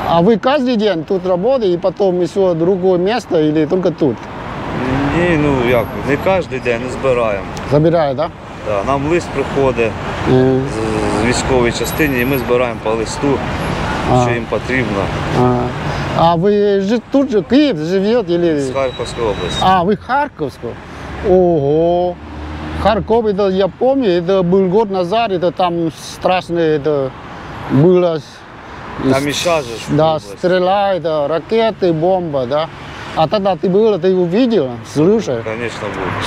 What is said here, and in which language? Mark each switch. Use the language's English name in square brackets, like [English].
[Russian] А вы каждый день тут работаете и потом еще другое место или только тут? [Ukrainian] Ні, ну як, [Russian] не каждый день, [Ukrainian] збираємо. Забирає, да? Да, нам лист приходить з військової частини, і ми збираємо по листу, що їм потрібно. А ви живете тут же, Київ живете? [Russian] Или... [Ukrainian] З Харківської області. А, ви Харківського? Ого! [Russian] Харков, это, я помню, это был год назад, это там страшно, это было... Там еще же. Да, стрела, это ракеты, бомба, да. А тогда ты был, ты его видел, слышал? Конечно, был.